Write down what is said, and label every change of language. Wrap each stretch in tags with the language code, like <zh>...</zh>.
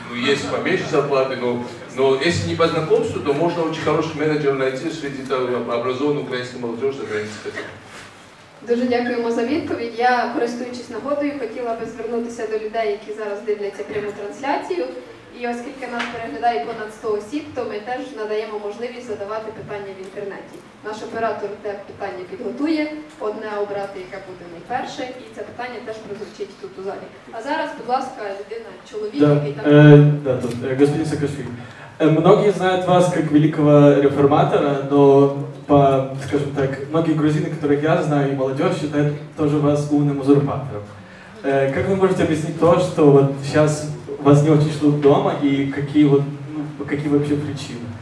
<ru>Есть поменьше зарплаты, но если не по знакомству, то можно очень хороший менеджер найти среди образованной украинской молодежи за границей.</ru> <uk>Дуже дякуємо за відповідь. Я, користуючись нагодою, хотіла би звернутися до людей, які зараз дивляться пряму трансляцію. І оскільки нас переглядає понад 100 осіб, то ми теж надаємо можливість задавати питання в інтернеті. Наш оператор те питання підготує, одне обрати, яке буде найперше, і це питання теж прозвучить тут у залі. А зараз, будь ласка, людина, чоловік,</uk> <ru>да,</ru> <uk>який</uk> <ru>господин Саакашвілі. Многие знают вас как великого реформатора, но, скажем так, многие грузины, которых я знаю, и молодежь, считают тоже вас умным узурпатором. Как вы можете объяснить то, что вот сейчас вас не очень ждут дома, и какие вообще причины?</ru>